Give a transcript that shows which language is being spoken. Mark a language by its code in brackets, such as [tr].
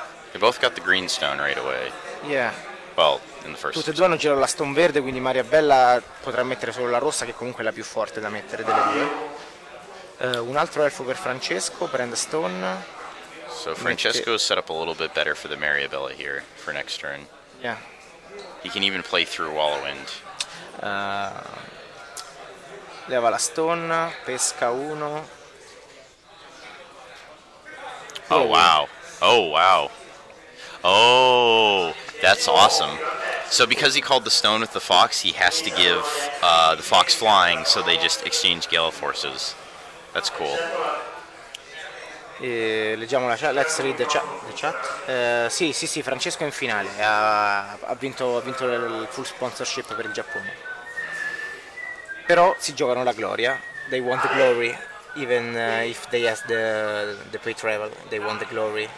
[en] They both got the green stone right away. Yeah. well, in the first. [it] Tutte e due hanno girato la stone verde, quindi Maria Bella potrà mettere solo la rossa, che comunque è la più forte da mettere delle due. Un altro elfo per Francesco, prende stone. [en] So Francesco is set up a little bit better for the Mariabella here for next turn. Yeah. He can even play through Wall of Wind. [it] Leva la stone, pesca uno. [en] Oh wow. Oh wow. Oh, that's awesome. So because he called the stone with the fox, he has to give the fox flying, so they just exchange gale forces. That's cool. [it] Leggiamo la chat. [en] Let's read the chat. [it] Sì, sì, sì, Francesco in finale. Ha vinto il full sponsorship per il Giappone. Però si giocano la gloria. [en] They want the glory. Even if they have the pre-travel, they want the glory.